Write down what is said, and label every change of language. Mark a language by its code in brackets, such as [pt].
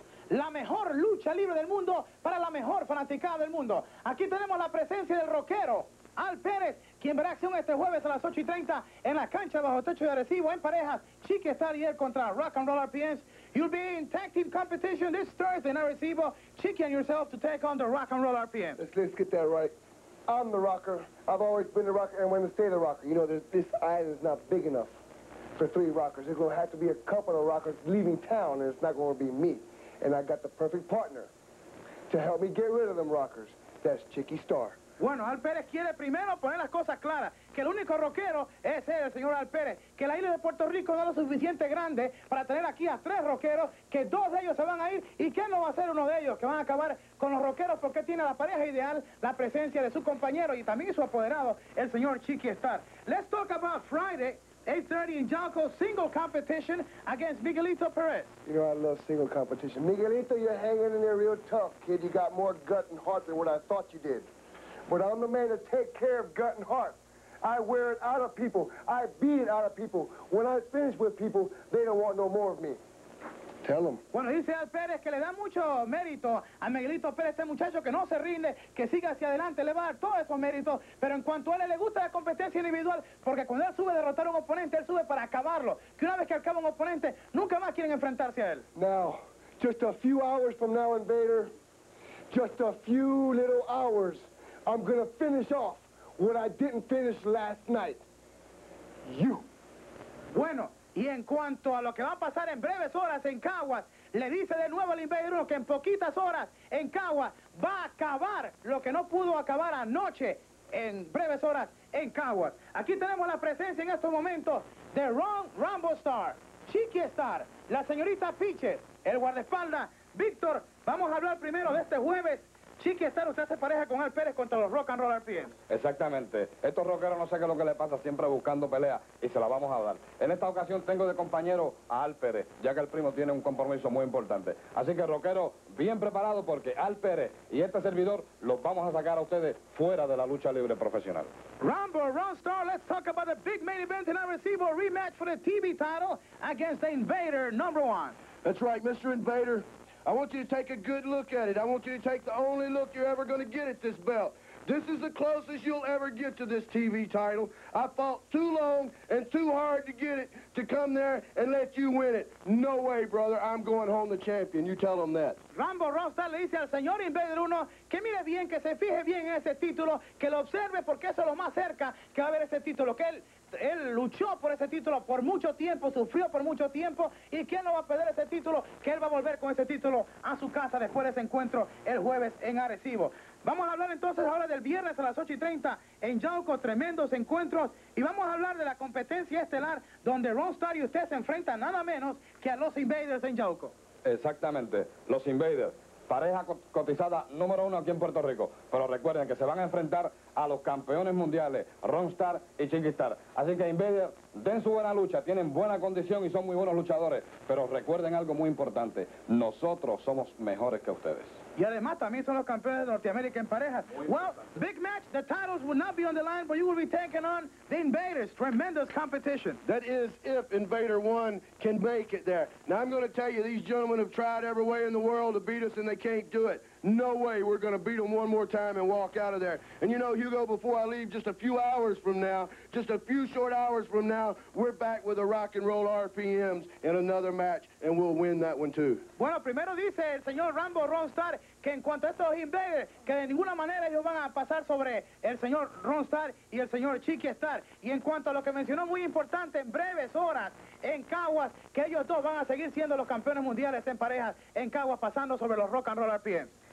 [es] La mejor lucha libre del mundo para la mejor fanaticada del mundo. Aquí tenemos la presencia del rockero Al Pérez, quien verá acción este jueves a las 8:30 en la cancha bajo techo de Arecibo en parejas. Chicky Star y él contra Rock and Roll RPNs. [en] You'll be in tag team competition this Thursday in Arecibo. Chicky and yourself to take on the Rock and Roll RPNs. Let's get that right. I'm the rocker. I've always been the rocker, and I'm going to stay the rocker. You know, this island is not big enough for three rockers. There's going to have to be a couple of rockers leaving town, and it's not going to be me. And I got the perfect partner to help me get rid of them rockers. That's Chicky Star. [es] Bueno, Al Pérez quiere primero poner las cosas claras, que el único rockero es él, el señor Al Pérez, que la isla de Puerto Rico no es lo suficiente grande para tener aquí a tres rockeros, que dos de ellos se van a ir, y que no va a ser uno de ellos, que van a acabar con los rockeros, porque tiene la pareja ideal, la presencia de su compañero y también su apoderado, el señor Chicky Star. [en] Let's talk about Friday, 8:30 in Yauco, single competition against Miguelito Perez. You know, I love single competition. Miguelito, you're hanging in there real tough, kid. You got more gut and heart than what I thought you did. But I'm the man to take care of gut and heart. I wear it out of people. I beat it out of people. When I finish with people, they don't want no more of me. Tell them. [es] Bueno, dice Al Pérez que le da mucho mérito a Miguelito Pérez, este muchacho que no se rinde, que siga hacia adelante, le va a dar todos esos méritos. Pero en cuanto a él, le gusta la competencia individual, porque cuando él sube a derrotar a un oponente, él sube para acabarlo. Que una vez que acaba un oponente, nunca más quieren enfrentarse a él. [en] Now, just a few hours from now, Invader, just a few little hours, I'm gonna finish off what I didn't finish last night. You. [es] Bueno, Y en cuanto a lo que va a pasar en breves horas en Caguas, le dice de nuevo al Invader 1 que en poquitas horas en Caguas va a acabar lo que no pudo acabar anoche en breves horas en Caguas. Aquí tenemos la presencia en estos momentos de Ron Rambo Star, Chiqui Star, la señorita Peaches, el guardaespaldas Víctor. Vamos a hablar primero de este jueves. Chiqui Star, usted hace pareja con Al Pérez contra los Rock and Roll RPM. Exactamente. Estos rockeros no sé qué es lo que le pasa, siempre buscando pelea, y se la vamos a dar. En esta ocasión tengo de compañero a Al Pérez, ya que el primo tiene un compromiso muy importante. Así que, rockero, bien preparado, porque Al Pérez y este servidor los vamos a sacar a ustedes fuera de la lucha libre profesional. [en] Rambo, Ron Star, let's talk about the big main event and I receive a rematch for the TV title against the Invader number one. That's right, Mr. Invader. I want you to take a good look at it. I want you to take the only look you're ever going to get at this belt. This is the closest you'll ever get to this TV title. I fought too long and too hard to get it to come there and let you win it. No way, brother. I'm going home the champion. You tell them that. [es] Rambo Rosta le dice al señor Invader 1 que mire bien, que se fije bien en ese título, que lo observe porque eso es lo más cerca que va a haber ese título, que él luchó por ese título por mucho tiempo, sufrió por mucho tiempo, y que él no va a perder ese título, que él va a volver con ese título a su casa después de ese encuentro el jueves en Arecibo. Vamos a hablar entonces ahora del viernes a las 8:30 en Yauco, tremendos encuentros, y vamos a hablar de la competencia estelar donde Ron Star y usted se enfrentan nada menos que a los Invaders en Yauco. Exactamente, los Invaders, pareja cotizada número uno aquí en Puerto Rico, pero recuerden que se van a enfrentar a los campeones mundiales, Ron Star y Chiqui Star. Así que Invader, den su buena lucha, tienen buena condición y son muy buenos luchadores, pero recuerden algo muy importante, nosotros somos mejores que ustedes. Y además también son los campeones de Norteamérica en parejas. [en] Well, big match, the titles will not be on the line, but you will be taking on the Invaders. Tremendous competition. That is if Invader 1 can make it there. Now I'm going to tell you, these gentlemen have tried every way in the world to beat us and they can't do it. No way we're going to beat them one more time and walk out of there. And you know, Hugo, before I leave, just a few hours from now, just a few short hours from now, we're back with the Rock and Roll RPMs in another match, and we'll win that one, too. [es] Bueno, primero dice el señor Rambo Ron Star que en cuanto a estos Invaders, que de ninguna manera ellos van a pasar sobre el señor Ron Star y el señor Chiqui Star. Y en cuanto a lo que mencionó, muy importante, en breves horas, en Caguas, que ellos dos van a seguir siendo los campeones mundiales en parejas en Caguas, pasando sobre los Rock and Roll RPMs.